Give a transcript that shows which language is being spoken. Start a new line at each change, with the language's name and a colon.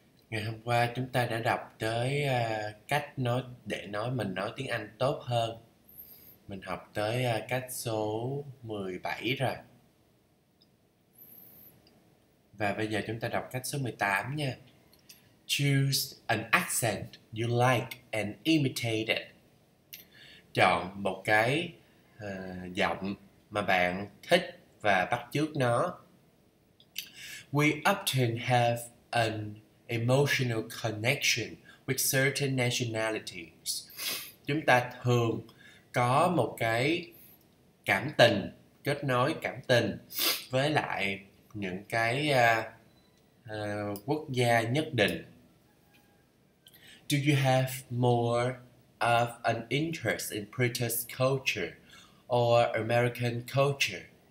Vietnamese: Ngày hôm qua chúng ta đã đọc tới cách nói để nói mình nói tiếng Anh tốt hơn. Mình học tới cách số 17 rồi. Và bây giờ chúng ta đọc cách số 18 nha.
English: Choose an accent you like and imitate it.
Vietnamese: Chọn một cái giọng mà bạn thích và bắt chước nó.
English: We often have an emotional connection with certain nationalities.
Vietnamese: Chúng ta thường có một cái cảm tình, kết nối cảm tình với lại những cái quốc gia nhất định.
English: Do you have more of an interest in British culture or American culture?